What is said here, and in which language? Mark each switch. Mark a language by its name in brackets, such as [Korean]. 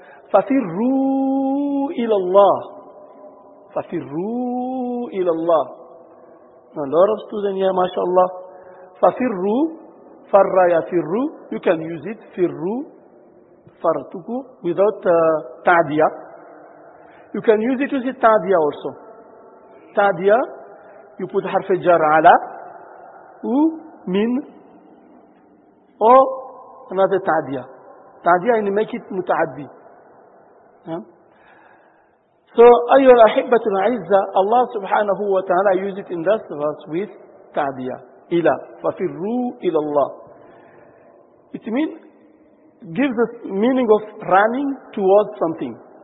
[Arabic] Fafirru ila Allah. فَفِرُّوا إِلَى اللَّهِ. [English] Now, a lot of students here, mashallah. [Arabic] فَفِرُّوا فَرَّ يَفِرُّوا. [English] You can use it, [Arabic] فِرُّوا فَرَّتُكُ, [English] without تَعْدِيَة. You can use it with تَعْدِيَة also. [Arabic] تَعْدِيَة, [English] you put [Arabic] حَرْفِ جَرْ عَلَى أو مِن [English] or another [Arabic] تَعْدِيَة. [English] تَعْدِيَة, and make it مُتَعَدِّي. So, [Arabic] أَيُّ الْأَحِبَّةُ الْعِزَّةِ, [English] Allah subhanahu wa ta'ala used it in this verse with تَعْدِيَة, [Arabic] إِلَى, فَفِرُّوا إِلَى اللَّهِ. [English] It means, gives the meaning of running towards something.